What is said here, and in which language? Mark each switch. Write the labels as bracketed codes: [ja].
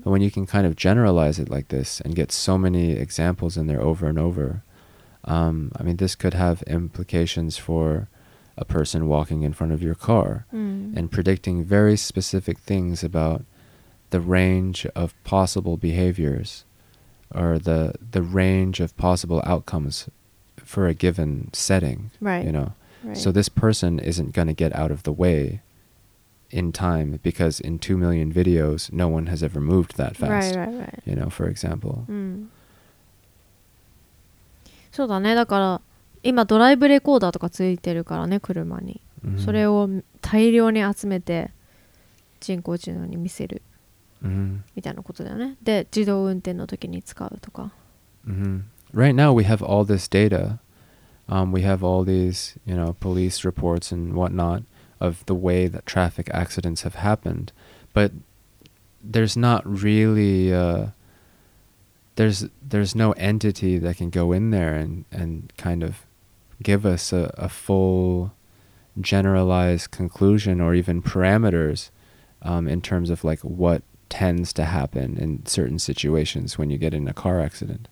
[en] But when you can kind of generalize it like this and get so many examples in there over and over, I mean, this could have implications for a person walking in front of your car and predicting very specific things about the range of possible behaviors or the range of possible outcomes for a given setting, right. you know. Right. So this person isn't going to get out of the way in time, because in 2 million videos, no one has ever moved that fast. Right, right, right. You know, for example. うん。 [ja] そうだね。だから今ドライブレコーダーとかついてるからね、車に。 Mm-hmm. それを大量に集めて人工知能に見せるみたいなことだよね。 Mm-hmm. で、自動運転の時に使うとか。 [en] Mm-hmm. Right now, we have all this data. We have all these, you know, police reports and whatnot. Of the way that traffic accidents have happened, but there's not really there's no entity that can go in there and kind of give us a full generalized conclusion or even parameters in terms of like what tends to happen in certain situations when you get in a car accident.